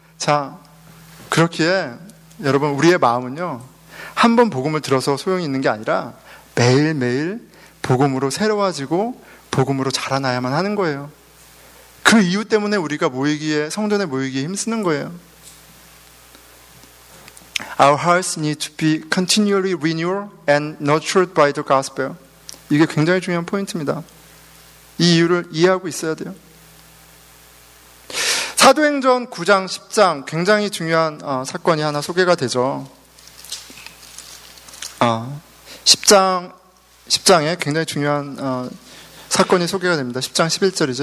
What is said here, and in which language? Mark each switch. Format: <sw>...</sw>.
<ko>자, 그렇기에 여러분, 우리의 마음은요, 한 번 복음을 들어서 소용이 있는 게 아니라 매일매일 복음으로 새로워지고 복음으로 자라나야만 하는 거예요. 그 이유 때문에 우리가 모이기에, 성전에 모이기에 힘쓰는 거예요.</ko> <en>Our hearts need to be continually renewed and nurtured by the gospel.</en> <ko>이게 굉장히 중요한 포인트입니다. 이 이유를 이해하고 있어야 돼요. 사도행전 9장 10장 굉장히 중요한 사건이 하나 소개가 되죠. 10장에 굉장히 중요한 사건이 소개가 됩니다. 10장 11절이죠.</ko>